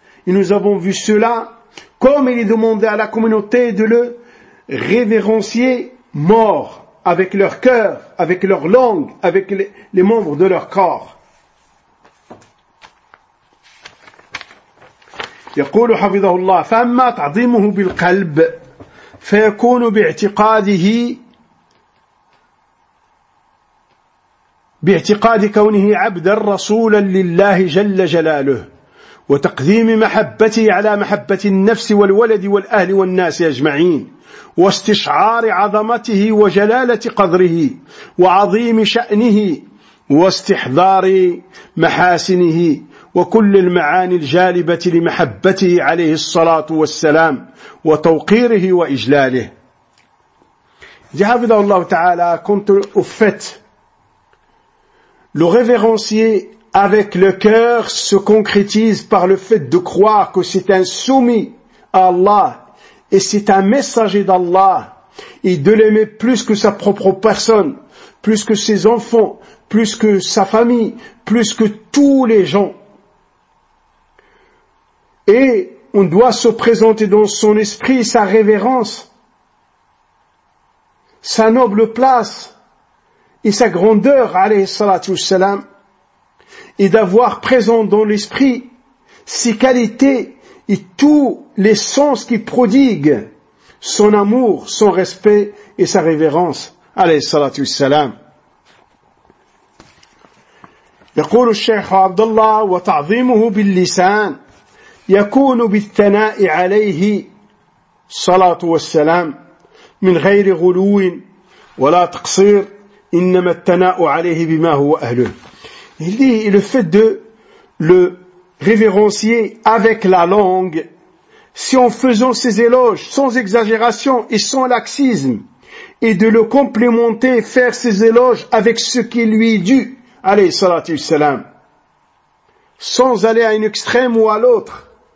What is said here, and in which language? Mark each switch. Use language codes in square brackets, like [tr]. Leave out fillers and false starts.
[fr] Et nous avons vu cela comme il est demandé à la communauté de le révérencier mort. Avec leur cœur, avec leur langue, avec les membres de leur corps. [ar] يقول حفظه الله فأما تعظيمه بالقلب فيكون باعتقاده باعتقاد كونه عبدا رسولا لله جل جلاله وتقديم محبته على محبة النفس والولد والأهل والناس أجمعين واستشعار عظمته وجلالة قدره وعظيم شأنه واستحضار محاسنه وكل المعاني الجالبة لمحبته عليه الصلاة والسلام وتوقيره وإجلاله. حفظه الله تعالى كنت أفت [fr] le révérencier avec le cœur se concrétise par le fait de croire que c'est un soumis à Allah et c'est un messager d'Allah et de l'aimer plus que sa propre personne, plus que ses enfants, plus que sa famille, plus que tous les gens. Et on doit se présenter dans son esprit sa révérence, sa noble place et sa grandeur, alayhi salatu wassalam, et d'avoir présent dans l'esprit ses qualités et tous les sens qui prodiguent son amour, son respect et sa révérence. Alayhi salatu wassalam. [ar] يقول الشيخ عبد الله وتعظيمه باللسان يكون بالثناء عليه صلاة والسلام من غير غلو ولا تقصير إنما الثناء عليه بما هو أهله. [fr] Il dit, et le fait de le révérencier avec la langue, si en faisant ses éloges sans exagération et sans laxisme, et de le complémenter, faire ses éloges avec ce qui lui est dû, alayhi salatu wassalam, sans aller à un extrême ou à l'autre.